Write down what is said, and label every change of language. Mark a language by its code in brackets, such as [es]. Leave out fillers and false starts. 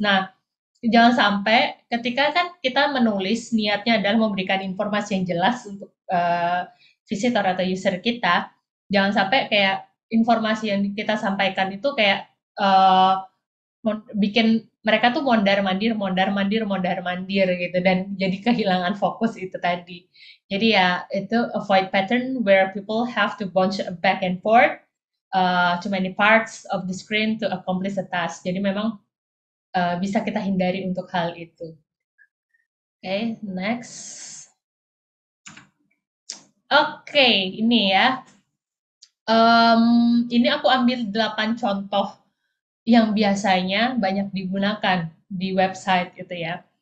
[id] Nah, jangan sampai ketika kan kita menulis niatnya adalah memberikan informasi yang jelas untuk visitor atau user kita, jangan sampai kayak informasi yang kita sampaikan itu kayak bikin mereka tuh mondar-mandir, mondar-mandir, mondar-mandir gitu, dan jadi kehilangan fokus itu tadi. Jadi ya, itu [en] avoid pattern where people have to bounce back and forth to many parts of the screen to accomplish a task. [id] Jadi memang bisa kita hindari untuk hal itu. [en] Okay, next. [id] Okay, ini ya. Ini aku ambil 8 contoh yang biasanya banyak digunakan di website itu ya.